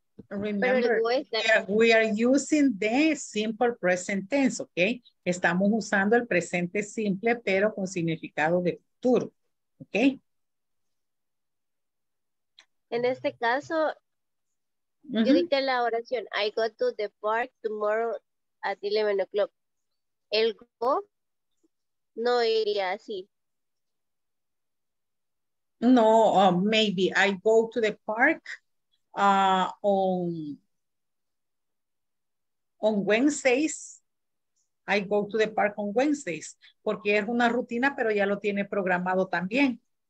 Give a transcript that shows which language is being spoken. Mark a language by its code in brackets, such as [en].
[en] Remember, we are using the simple present tense, okay? [es] Estamos usando el presente simple, pero con significado de futuro, okay? En este caso, uh-huh, yo dije la oración, [en] I go to the park tomorrow at 11 o'clock. [es] El go no iría así. [en] No, maybe I go to the park on Wednesdays. I go to the park on Wednesdays. [es] Porque es una rutina, pero ya lo tiene programado también.